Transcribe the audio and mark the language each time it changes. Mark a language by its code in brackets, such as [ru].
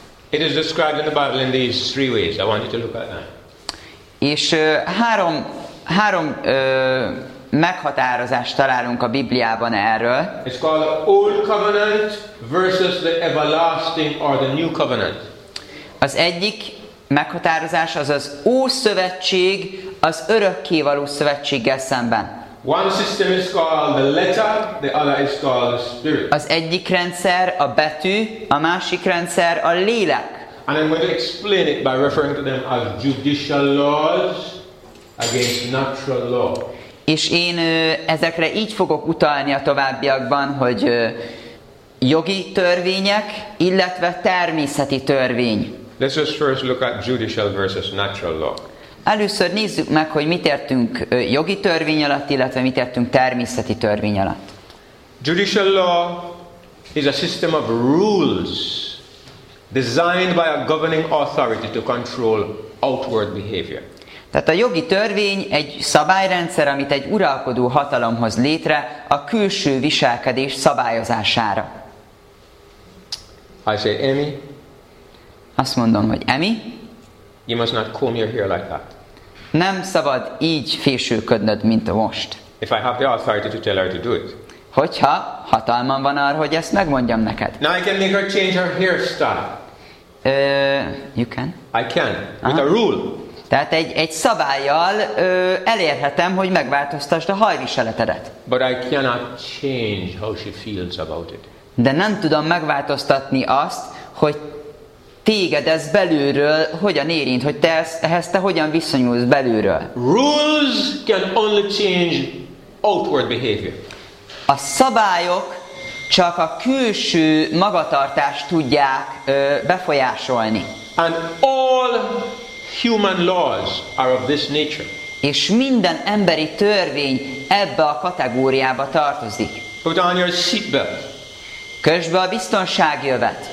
[en] It is described in the Bible in these three ways. I want you to look at that. [hu] És három meghatározást találunk a Bibliában erről. [en] It's called the old covenant versus the everlasting or the new covenant. [hu] Az egyik meghatározás az az Ószövetség az örökkévaló szövetséggel szemben. [en] One system is called the letter, the other is called the spirit. [hu] Az egyik rendszer a betű, a másik rendszer a lélek. [en] And I'm going to explain it by referring to them as judicial laws against natural law. [hu] És én ezekre így fogok utalni a továbbiakban, hogy jogi törvények, illetve természeti törvény. [en] Let's just first look at judicial versus natural law. [hu] Először nézzük meg, hogy mit értünk jogi törvény alatt, illetve mit értünk természeti törvény alatt. [en] Judicial law is a system of rules designed by a governing authority to control outward behavior. [hu] Tehát a jogi törvény egy szabályrendszer, amit egy uralkodó hatalom hoz létre a külső viselkedés szabályozására. [en] I say, Amy. [hu] Azt mondom, hogy Amy. [en] You must not comb your hair like that. [hu] Nem szabad így fésülködnöd, mint most. [en] If I have the authority to tell her to do it. [hu] Hogyha hatalmam van arra, hogy ezt megmondjam neked. [en] Now I can make her change her hairstyle. You can. I can. Aha. With a rule. [hu] Tehát egy szabállyal elérhetem, hogy megváltoztasd a hajviseletedet. [en] But I cannot change how she feels about it. [hu] De nem tudom megváltoztatni azt, hogy téged ez belülről hogyan érint, hogy te hogyan viszonyulsz belülről. [en] Rules can only change outward behavior. [hu] A szabályok csak a külső magatartást tudják befolyásolni. [en] And all human laws are of this nature. [hu] És minden emberi törvény ebbe a kategóriába tartozik. [en] Put on your seatbelt. [hu] Kösd be a biztonsági övet.